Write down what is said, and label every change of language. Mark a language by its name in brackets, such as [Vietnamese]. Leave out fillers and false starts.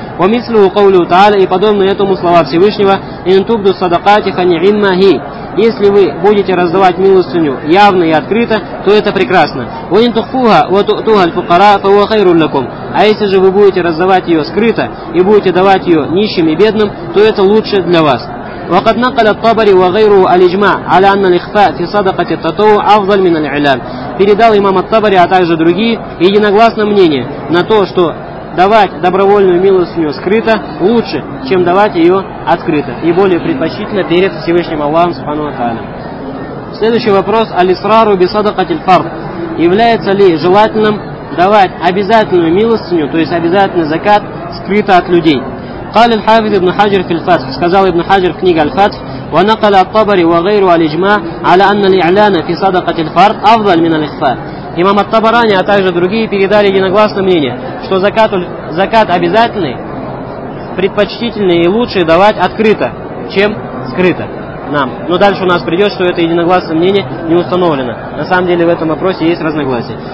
[Arabic] «Вамислю каулю та'аля», [Russian] и подобно этому слова Всевышнего, [Arabic] «Интубду садакати фани'имма хи». [Russian] Если вы будете раздавать милостыню явно и открыто, то это прекрасно. [Arabic] «Вантухфуха ватухтуха альфукара фауа хайру лакум». [Russian] А если же вы будете раздавать ее скрыто и будете давать ее нищим и бедным, то это лучше для вас. [Arabic] وقد نقل الطبري وغيره الإجماع على أن الإخفاء في صدقة التطوع أفضل من الإعلان. [Russian] Передал имам ат-Табари, а также другие, единогласное мнение на то, что давать добровольную милостыню скрыто лучше, чем давать ее открыто и более предпочтительно перед Всевышним Аллахом Субхану ва Тааля. Следующий вопрос. [Arabic] Алисрару би садакати аль-фард. [Russian] Является ли желательным давать обязательную милостыню, то есть обязательный закат, скрыто от людей? [Arabic] قال الحافظ ابن حجر في الفتح [Russian] сказал [Arabic] ابن حجر в книге الفتح ونقل الطبري وغيره الاجماع على ان الاعلان في صدقه الفرد افضل من الاخفاء. [Russian] Имам ат-Табарани, а также другие передали единогласное мнение, что закат обязательный, предпочтительнее и лучше давать открыто, чем скрыто. Нам. Но дальше у нас придет, что это единогласное мнение не установлено. На самом деле в этом вопросе есть разногласия.